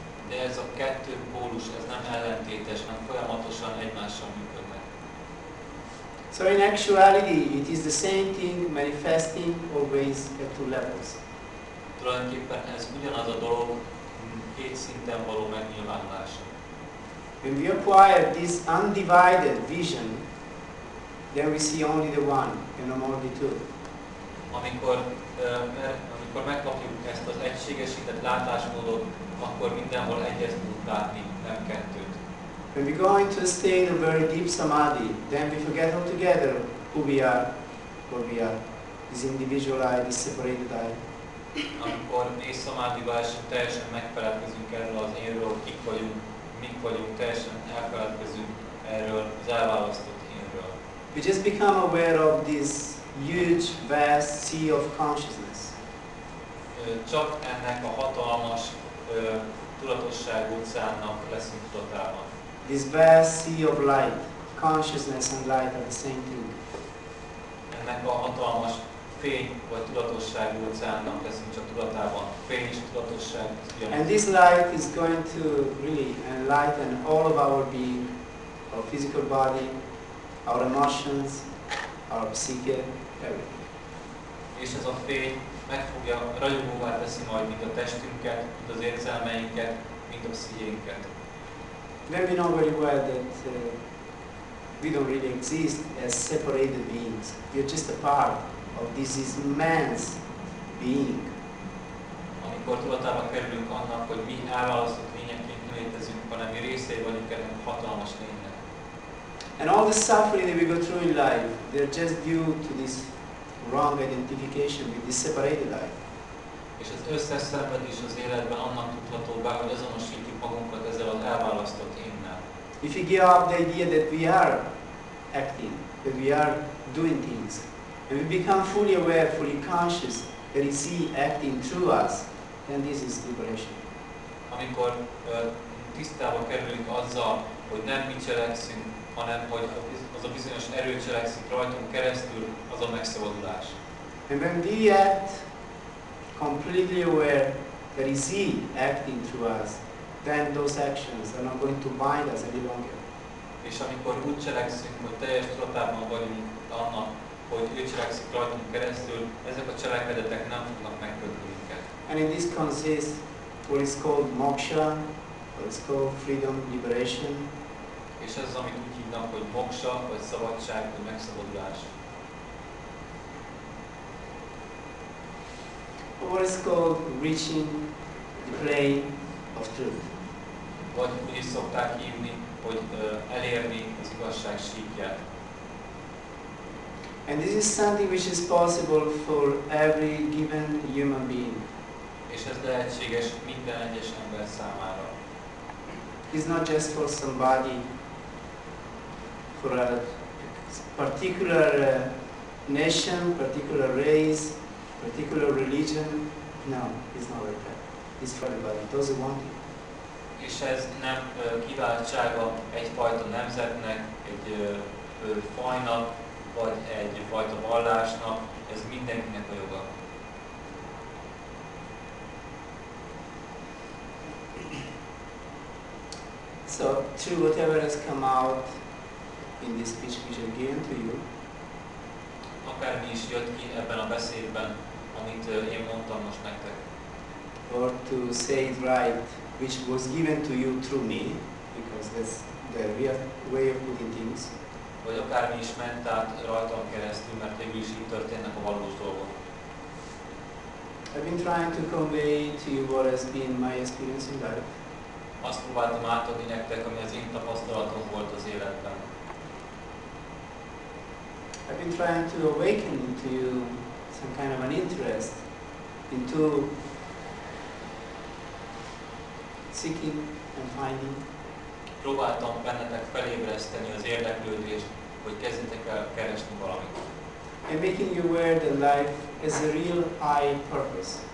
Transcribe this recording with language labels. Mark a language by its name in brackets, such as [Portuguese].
[Hungarian] De ez a kettő pólus, ez nem ellentétes, hanem folyamatosan egymással működnek. [English] So in actuality, it is the same thing manifesting always at two levels. [Hungarian] Tulajdonképpen ez ugyanaz a dolog, két szinten való megnyilvánulása. [English] When we acquire this undivided vision, then we see only the one, and no more the two. [Hungarian] Amikor megkapjuk ezt az egységesített látásmódot, akkor mindenhol egyet tudunk látni, nem kettőt. [English] When we go into a state of very deep samadhi, then we forget altogether who we are, what we are. this individual I, this separated I. [Hungarian] Amikor mély szamádiba esünk, teljesen megfeledkezünk erről az énről, kik vagyunk, mik vagyunk, teljesen elfeledkezünk erről az elválasztott énről. [English] We just become aware of this huge, vast sea of consciousness. [Hungarian] Csak ennek a hatalmas tudatosság óceánnak leszünk tudatában. [English] This vast sea of light, consciousness and light are the same thing. [Hungarian] Ennek a hatalmas fény vagy tudatosság óceánnak leszünk csak tudatában. Fény és tudatosság. [English] And this light is going to really enlighten all of our being, our physical body, our emotions, our psyche, everything. [Hungarian] És ez a fény meg fogja ragyogóvá teszi majd mind a testünket, mind az érzelmeinket, mind a pszichénket. [English] Then we know very well that we don't really exist as separated beings. We are just a part of this immense being. [Hungarian] Amikor tudatába kerülünk annak, hogy mi elválasztott lényeként nem létezünk, hanem mi részei vagyunk ennek hatalmas lénynek. [English] And all the suffering that we go through in life, they are just due to this wrong identification with this separated I. [Hungarian] És az összes szenvedés az életben annak tudható be, hogy azonosítjuk magunkat ezzel az elválasztott énnel. [English] If you give up the idea that we are acting, that we are doing things, and we become fully aware, fully conscious, that is he acting through us, then this is liberation. [Hungarian] Amikor tisztába kerülünk azzal, hogy nem mi cselekszünk, hanem hogy az a bizonyos erő cselekszik rajtunk keresztül, az a megszabadulás. [English] And when we act completely aware that is he acting through us, then those actions are not going to bind us any longer. [Hungarian] És amikor úgy cselekszünk, hogy teljes tudatában vagyunk annak, hogy ő cselekszik rajtunk keresztül, ezek a cselekedetek nem fognak megkötni minket. [English] And in this consists what is called moksha, what is called freedom, liberation. [Hungarian] És ez az, amit úgy hívnak, hogy moksha, vagy szabadság, vagy megszabadulás. [English] What is called reaching the plane of truth. [Hungarian] Vagy úgy is szokták hívni, hogy elérni az igazság síkját. [English] And this is something which is possible for every given human being. [Hungarian] És ez lehetséges minden egyes ember számára. [English] It's not just for somebody, for a particular nation, particular race, particular religion. No, it's not like that. It's for everybody. Those who want it. [Hungarian] És ez nem kiváltsága egyfajta nemzetnek, egy fajnak, vagy egy fajta vallásnak, ez mindenkinek a joga. [English] So, through whatever has come out in this speech which I've given to you, [Hungarian] akármi is jött ki ebben a beszédben, amit én mondtam most nektek, [English] or to say it right, which was given to you through me, because that's the real way of putting things, [Hungarian] vagy akármi is ment át rajtam keresztül, mert végül is így történnek a valós dolgok. [English] I've been trying to convey to you what has been my experience in life. [Hungarian] Azt próbáltam átadni nektek, ami az én tapasztalatom volt az életben. [English] I've been trying to awaken to you some kind of an interest into seeking and finding. [Hungarian] Próbáltam bennetek felébreszteni az érdeklődést, hogy kezdjetek el keresni valamit. [English] And making you aware that life is a real high purpose.